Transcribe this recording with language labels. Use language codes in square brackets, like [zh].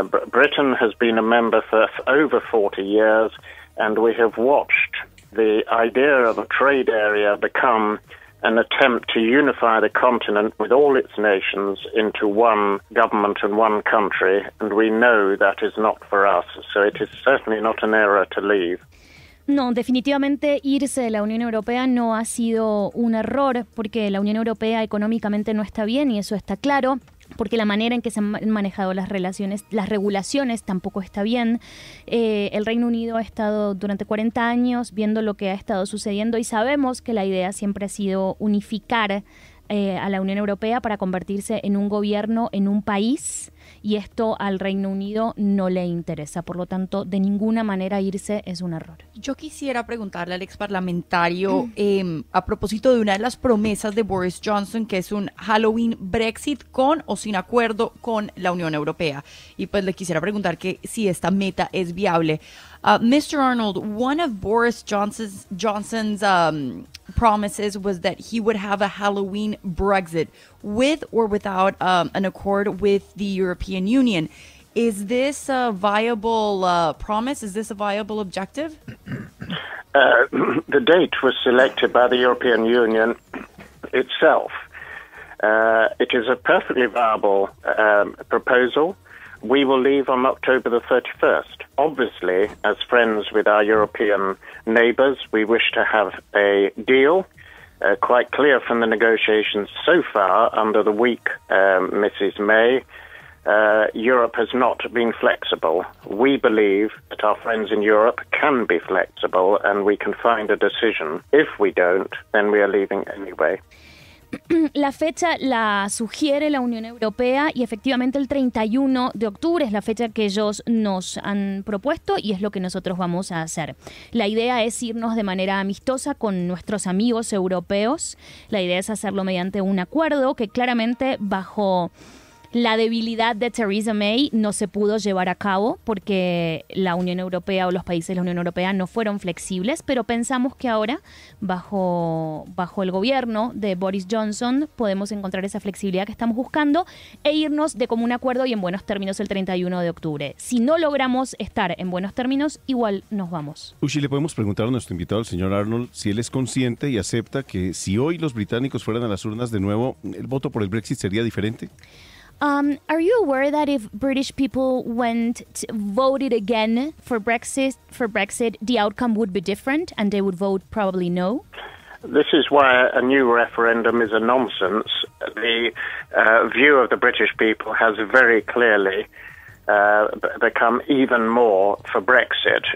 [en] Britain has been a member for over 40 years, and we have watched the idea of a trade area become an attempt to unify the continent with all its nations into one government and one country, and we know that is not for us, so it is certainly not an error to leave. [es] No, definitivamente irse de la Unión Europea no ha sido un error, porque la Unión Europea económicamente no está bien y eso está claro, porque la manera en que se han manejado las relaciones, las regulaciones, tampoco está bien. El Reino Unido ha estado durante 40 años viendo lo que ha estado sucediendo y sabemos que la idea siempre ha sido unificar a la Unión Europea para convertirse en un gobierno, en un país, y esto al Reino Unido no le interesa. Por lo tanto, de ninguna manera irse es un error. Yo quisiera preguntarle al exparlamentario a propósito de una de las promesas de Boris Johnson, que es un Halloween Brexit con o sin acuerdo con la Unión Europea. Y pues le quisiera preguntar que si esta meta es viable. [en] Mr. Arnold, one of Boris Johnson's promises was that he would have a Halloween Brexit with or without an accord with the European Union. Is this a viable promise? Is this a viable objective? The date was selected by the European Union itself. It is a perfectly viable proposal. We will leave on October the 31st. Obviously, as friends with our European neighbours, we wish to have a deal. Quite clear from the negotiations so far under the week, Mrs. May, Europe has not been flexible. We believe that our friends in Europe can be flexible and we can find a decision. If we don't, then we are leaving anyway. [es] La fecha la sugiere la Unión Europea y efectivamente el 31 de octubre es la fecha que ellos nos han propuesto y es lo que nosotros vamos a hacer. La idea es irnos de manera amistosa con nuestros amigos europeos. La idea es hacerlo mediante un acuerdo que claramente bajo la debilidad de Theresa May no se pudo llevar a cabo porque la Unión Europea o los países de la Unión Europea no fueron flexibles, pero pensamos que ahora, bajo el gobierno de Boris Johnson, podemos encontrar esa flexibilidad que estamos buscando e irnos de común acuerdo y en buenos términos el 31 de octubre. Si no logramos estar en buenos términos, igual nos vamos. Uchi, le podemos preguntar a nuestro invitado, el señor Arnold, si él es consciente y acepta que si hoy los británicos fueran a las urnas de nuevo, el voto por el Brexit sería diferente. [en] Are you aware that if British people went to voted again for Brexit, the outcome would be different and they would vote probably no? This is why a new referendum is a nonsense. The view of the British people has very clearly become even more for Brexit.